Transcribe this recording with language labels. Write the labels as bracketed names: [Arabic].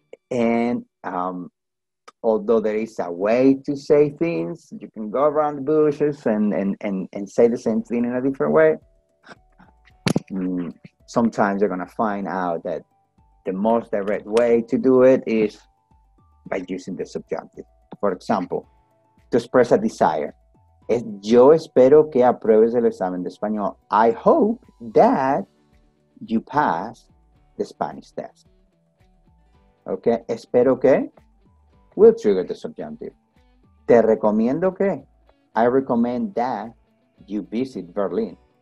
[English] And although there is a way to say things, you can go around the bushes and say the same thing in a different way. Sometimes you're gonna find out that the most direct way to do it is by using the subjunctive. For example, to express a desire. [Spanish] Yo espero que apruebes el examen de español. [English] I hope that you pass the Spanish test. Okay, [Spanish] espero que [English] will trigger the subjunctive. [Spanish] Te recomiendo que, [English] I recommend that you visit Berlin.